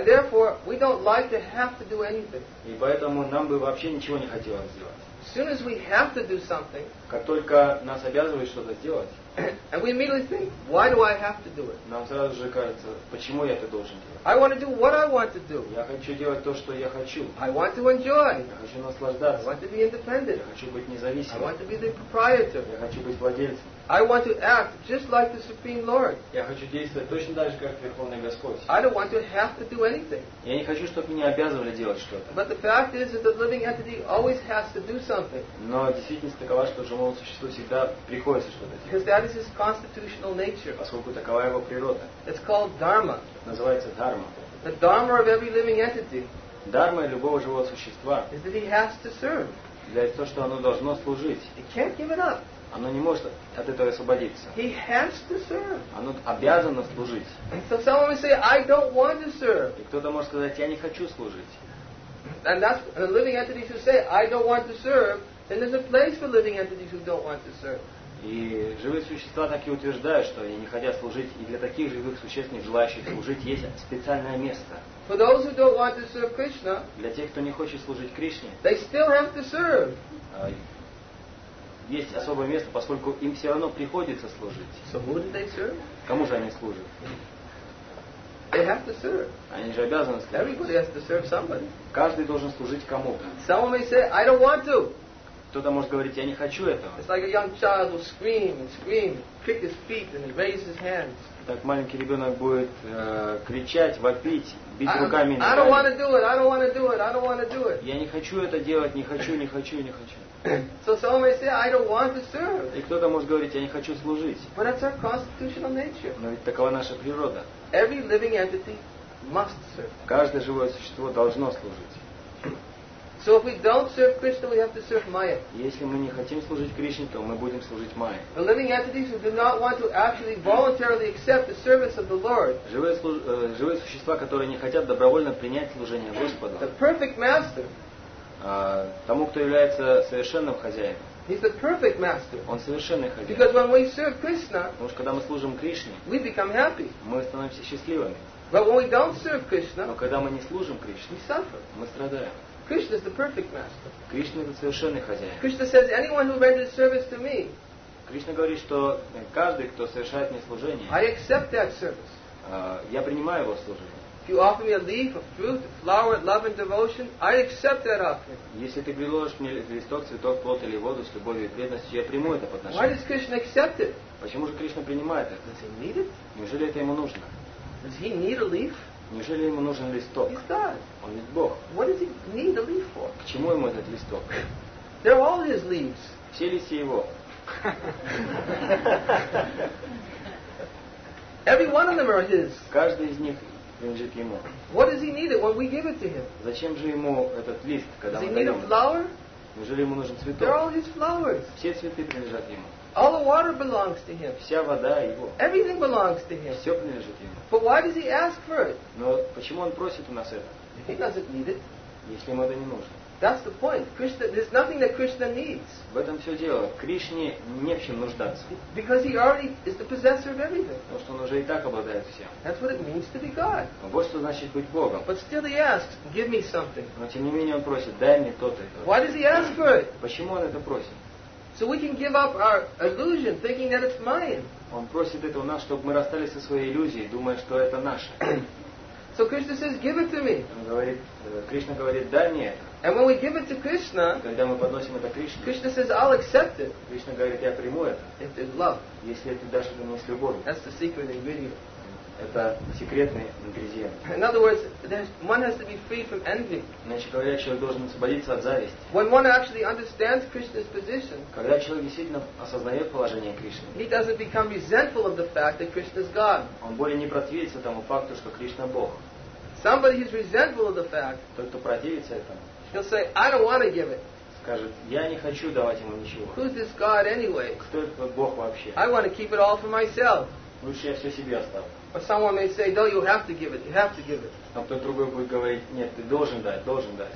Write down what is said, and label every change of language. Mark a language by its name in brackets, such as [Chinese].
[English] And therefore, we don't like to have to do anything. [Russian] И поэтому нам бы вообще ничего не хотелось сделать. [English] As soon as we have to do something, [Russian] как только нас обязывают что-то сделать, [English] and we immediately think, why do I have to do it? [Russian] Нам сразу же кажется, почему я это должен делать? [English] I want to do what I want to do. [Russian] Я хочу делать то, что я хочу. [English] I want to enjoy. [Russian] Я хочу наслаждаться. [English] I want to be independent. [Russian] Я хочу быть независимым. [English] I want to be the proprietor. [Russian] Я хочу быть владельцем. [English] I want to act just like the Supreme Lord. [Russian] Я хочу действовать точно так же, как Верховный Господь. [English] I don't want to have to do anything. [Russian] Я не хочу, чтобы меня обязывали делать что-то. [English] But the fact is that the living entity always has to do something. [Russian] Но действительность такова, что живому существу всегда приходится что-то делать. [English] Because that is his constitutional nature. [Russian] Поскольку такова его природа. [English] It's called dharma. [Russian] Называется дхарма. [English] The dharma of every living entity. [Russian] Дхарма любого живого существа. [English] Is that he has to serve. [Russian] Для того, что оно должно служить. [English] It can't give it up. [Russian] Оно не может от этого освободиться. [English] He has to serve. [Russian] Оно обязано служить. [English] And so some may say, I don't want to serve. [Russian] И кто-то может сказать, я не хочу служить. [English] And that's the living entities who say, I don't want to serve, then there's a place for living entities who don't want to serve. [Russian] И живые существа так и утверждают, что они не хотят служить, и для таких живых существ, не желающих служить, есть специальное место. [English] For those who don't want to serve Krishna, [Russian] для тех, кто не хочет служить Кришне, [English] they still have to serve. [Russian] Есть особое место, поскольку им все равно приходится служить. [English] So who do they serve? [Russian] Кому же они служат? [English] They have to serve. [Russian] Они же обязаны служить. [English] Everybody has to serve somebody. [Russian] Каждый должен служить кому-то. [English] Some may say, I don't want to. [Russian] Кто-то может говорить, я не хочу этого. [English] It's like a young child will scream and scream, kick his feet and raise his hands. [Russian] Так маленький ребенок будет кричать, вопить, бить руками. [English] I don't want to do it. I don't want to do it. I don't want to do it. [Russian] Я не хочу это делать. Не хочу, не хочу, не хочу. [English] So some may say, I don't want to serve. [Russian] И кто-то может говорить, я не хочу служить. [English] But that's our constitutional nature. [Russian] Но ведь такова наша природа. [English] Every living entity must serve. [Russian] Каждое живое существо должно служить. [English] So if we don't serve Krishna, we have to serve Maya. [Russian] Если мы не хотим служить Кришне, то мы будем служить Майе. [English] The living entities who do not want to actually voluntarily accept the service of the Lord. [Russian] Живые существа, которые не хотят добровольно принять служение Господа. [English] The perfect master. [Russian] Тому, кто является совершенным хозяином. [English] He's the perfect master. [Russian] Он совершенный хозяин. [English] Because when we serve Krishna, [Russian] потому что когда мы служим Кришне, [English] we become happy. [Russian] Мы становимся счастливыми. [English] But when we don't serve Krishna, [Russian] но когда мы не служим Кришне, [English] we suffer. [Russian] Мы страдаем. [English] Krishna is the perfect master. [Russian] Кришна — это совершенный хозяин. [English] Krishna says, anyone who renders service to me, [Russian] Кришна говорит, что каждый, кто совершает мне служение, [English] I accept that service. [Russian] Я принимаю его служение. [English] If you offer me a leaf, a fruit, a flower, love and devotion, I accept that offering. [Russian] Если ты предложишь мне листок, цветок, плод или воду с любовью и преданностью, я приму это подношение. [English] Why does Krishna accept it? [Russian] Почему же Кришна принимает это? [English] Does he need it? [Russian] Неужели это ему нужно? [English] Does he need a leaf? [Russian] Неужели ему нужен листок? [English] He's God. [Russian] Он ведь Бог. [English] What does he need a leaf for? [Russian] К чему ему этот листок? [English] They're all his leaves. [Russian] Все листья его. [English] Every one of them are his. [Russian] Каждый из них принадлежит ему. [English] What does he need it when we give it to him? [Russian] Зачем же ему этот лист, когда [English] does [Russian] мы даем? [English] Does he need a flower? [Russian] Неужели ему нужен цветок? [English] They're all his flowers. [Russian] Все цветы принадлежат ему. [English] All the water belongs to him. [Russian] Вся вода его. [English] Everything belongs to him. [Russian] Все принадлежит ему. [English] But why does he ask for it? [Russian] Но почему он просит у нас это? [English] He doesn't need it. [Russian] Если ему это не нужно. [English] That's the point. Krishna, there's nothing that Krishna needs. [Russian] В этом все дело. Кришне не в чем нуждаться. [English] Because he already is the possessor of everything. [Russian] Потому что он уже и так обладает всем. [English] That's what it means to be God. [Russian] Вот что значит быть Богом. [English] But still he asks, give me something. [Russian] Но тем не менее он просит, дай мне то-то. [English] Why does he ask for it? [Russian] Почему он это просит? [English] So we can give up our illusion, thinking that it's mine. [Russian] Он просит это у нас, чтобы мы расстались со своей иллюзией, думая, что это наше. [English] So Krishna says, give it to me. [Russian] Он говорит, Кришна говорит, дай мне это. [English] And when we give it to Krishna, [Russian] когда мы подносим это Кришне, [English] Krishna says, I'll accept it. [Russian] Кришна говорит, я приму это. [English] If it's love. [Russian] Если ты дашь это мне с любовью. [English] That's the secret ingredient. [Russian] Это секретный ингредиент. [English] In other words, one has to be free from envy. [Russian] Значит, когда человек должен освободиться от зависти. [English] When one actually understands Krishna's position, [Russian] когда человек действительно осознает положение Кришны, [English] he doesn't become resentful of the fact that Krishna's God. [Russian] Он более не противится тому факту, что Кришна Бог. [English] Somebody who's resentful of the fact, [Russian] тот, кто противится этому, [English] he'll say, I don't want to give it. [Russian] Скажет, я не хочу давать ему ничего. [English] Who's this God anyway? [Russian] Кто этот Бог вообще? [English] I want to keep it all for myself. [Russian] Лучше я все себе оставлю. [English] But someone may say, no, you have to give it, you have to give it. [Russian] А кто-то другой будет говорить, нет, ты должен дать, должен дать.